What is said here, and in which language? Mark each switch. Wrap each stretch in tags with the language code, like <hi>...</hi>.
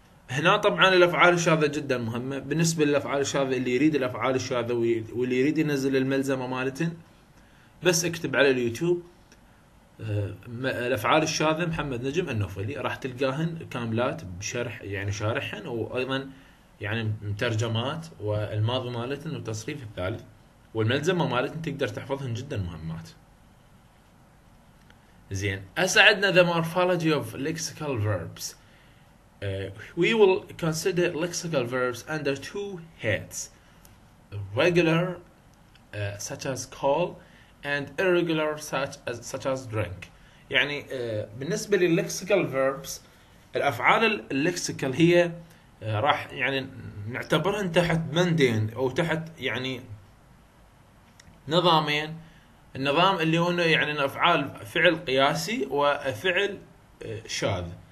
<ar>هنا طبعا الأفعال الشاذة جدا مهمة بالنسبة للأفعال الشاذة، اللي يريد الأفعال الشاذة واللي يريد ينزل الملزمة مالتن بس اكتب على اليوتيوب الأفعال الشاذة محمد نجم النوفلي، راح تلقاهن كاملات بشرح يعني شارحن، وأيضا يعني مترجمات، والماضي مالتن والتصريف الثالث والملزمة مالتن تقدر تحفظهن، جدا مهمات. زين أسعدنا</ar> <en>the morphology of lexical verbs. We will consider lexical verbs under two heads: regular, such as call, and irregular, such as drink.</en> <ar>يعني بالنسبة للexical verbs، الأفعال اللexical هي راح يعني نعتبرهن تحت بندين أو تحت يعني نظامين. النظام اللي هو يعني أفعال فعل قياسي وفعل شاذ.</ar>